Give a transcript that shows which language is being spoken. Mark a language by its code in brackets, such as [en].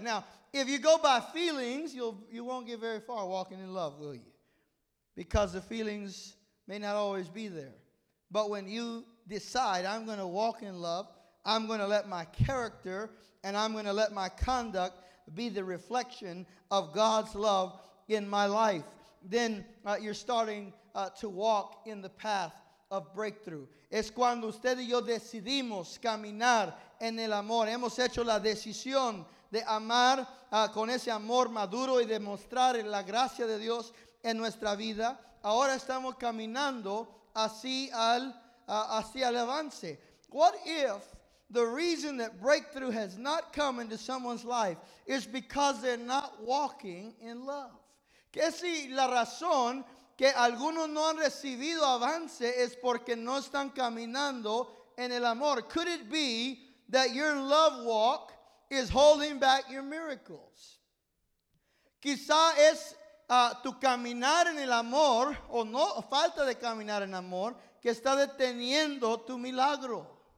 [en] Now, if you go by feelings, you won't get very far walking in love, will you? Because the feelings may not always be there. But when you decide, I'm going to walk in love, I'm going to let my character and I'm going to let my conduct be the reflection of God's love in my life, then you're starting to walk in the path of breakthrough. [es] Es cuando usted y yo decidimos caminar en el amor. Hemos hecho la decisión de amar con ese amor maduro y demostrar la gracia de Dios en nuestra vida. Ahora estamos caminando hacia el avance. [en] What if the reason that breakthrough has not come into someone's life is because they're not walking in love? [es] ¿Qué si la razón que algunos no han recibido avance es porque no están caminando en el amor? [en] Could it be that your love walk is holding back your miracles? [es] Quizá es tu caminar en el amor o no falta de caminar en amor que está deteniendo tu milagro.